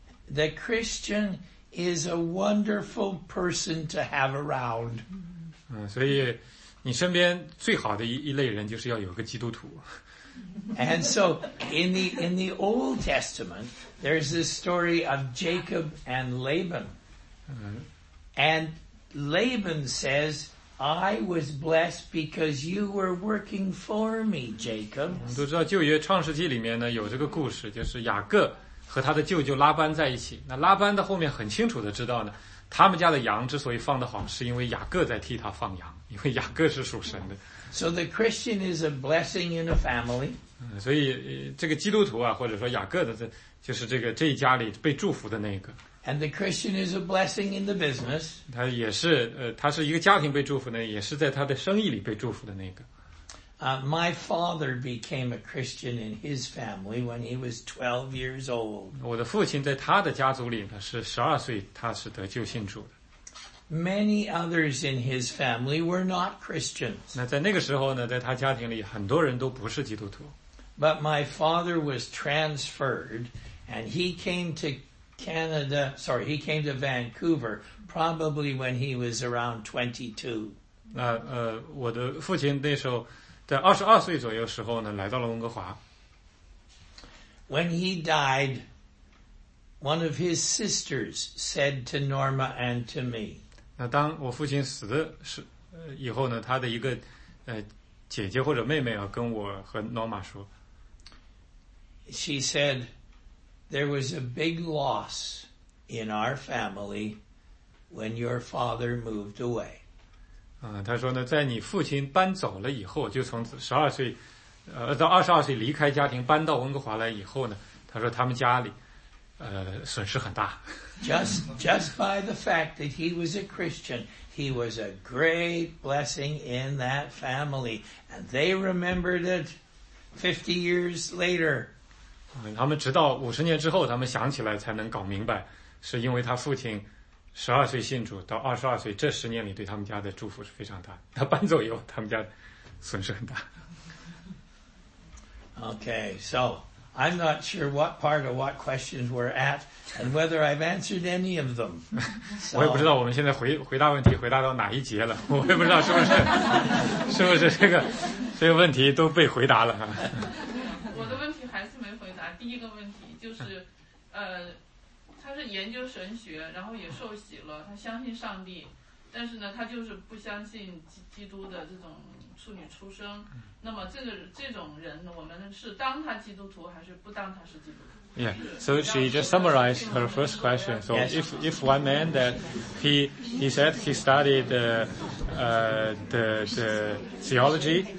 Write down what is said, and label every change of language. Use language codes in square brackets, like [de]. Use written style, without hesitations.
[en] The Christian is a wonderful person to have around. [zh] 所以你身边最好的一类人就是要有个基督徒。 [en] And so, in the Old Testament, there's this story of Jacob and Laban. And Laban says, I was blessed because you were working for me, Jacob. [zh] 我们都知道旧约创世纪里面呢有这个故事，就是雅各和他的舅舅拉班在一起。那拉班的后面很清楚的知道呢，他们家的羊之所以放得好，是因为雅各在替他放羊，因为雅各是属神的。 [en] So the Christian is a blessing in a family. [zh] 所以这个基督徒啊，或者说雅各的，就是这一家里被祝福的那个。 [en] And the Christian is a blessing in the business. [zh] 他也是他是一个家庭被祝福的，也是在他的生意里被祝福的那个。 [en] My father became a Christian in his family when he was 12 years old. [zh] 我的父亲在他的家族里呢是12岁他是得救信主的。 [en] Many others in his family were not Christians. [zh] 那在那个时候呢，在他家庭里，很多人都不是基督徒。 [en] But my father was transferred, and he came to Canada. Sorry, he came to Vancouver probably when he was around 22. [zh] 那我的父亲那时候在22岁左右时候呢，来到了温哥华。 [en] When he died, one of his sisters said to Norma and to me. [zh] 那当我父亲死的是以后呢，他的一个姐姐或者妹妹啊，跟我和 Norma 说。 [en] She said, "There was a big loss in our family when your father moved away." [zh] 他说呢，在你父亲搬走了以后，就从12岁，到22岁离开家庭搬到温哥华来以后呢，他说他们家里，损失很大。 [en] Just by the fact that he was a Christian, he was a great blessing in that family, and they remembered it 50 years later. [zh] 他们直到50年之后，他们想起来才能搞明白，是因为他父亲12岁信主到22岁，这10年里对他们家的祝福是非常大。他搬走以后，他们家损失很大。 [en] Okay, so. I'm not sure what part of what questions we're at and whether I've answered any of them. [zh] 我也不知道我们现在回答问题回答到哪一节了，我也不知道是不是这个问题都被回答了。我的问题还是没回答。第一个问题就是他是研究神学，然后也受洗了，他相信上帝，但是呢他就是不相信基督的这种处女出生。那么这种人，我们是当他基督徒还是不当他是基督徒？ [en] Yeah, so she just summarized her first question. So if one man that he said he studied the theology,